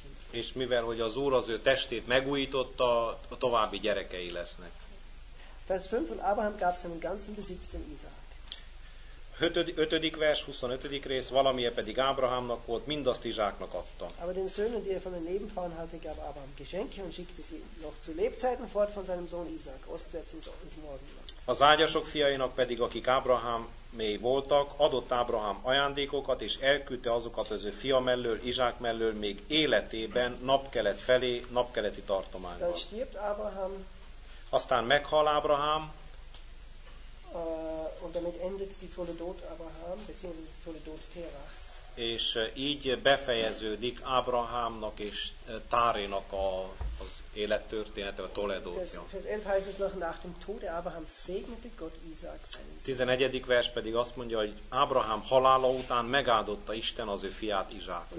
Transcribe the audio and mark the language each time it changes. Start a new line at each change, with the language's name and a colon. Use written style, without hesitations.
Hungarian: és mivel, hogy az Úr az ő testét megújította, a további gyerekei lesznek.
German: Vers 5, von Abraham gab seinen ganzen Besitz dem Isaac.
Hungarian: 5. vers, 25. rész, valamilyen pedig Ábrahámnak volt, mindazt Izsáknak adta.
German: Aber den Söhnen, die er von den Nebenfrauen hatte, gab Abraham Geschenke und schickte sie noch zu Lebzeiten fort von seinem Sohn Isaac, ostwärts ins Morgenland.
Hungarian: Az ágyasok fiainak pedig, akik Ábrahám mély voltak, adott Ábrahám ajándékokat, és elküldte azokat az ő fia mellől, Izsák mellől, még életében, napkelet felé, napkeleti tartományban.
German: Dann stirbt Abraham,
Hungarian: aztán meghal Ábrahám,
German: und damit endet die Toledot Abraham, beziehungsweise die Toledot Terachs.
Hungarian: És így befejeződik Ábrahámnak és Tárénak az élettörténete, a Toledótja.
German: Vers 11 heißt es noch, nach dem Tode Abraham segnete Gott Isaac seinen Sohn.
Hungarian: 11. vers pedig azt mondja, hogy Ábrahám halála után megáldotta Isten az ő fiát Izsákot.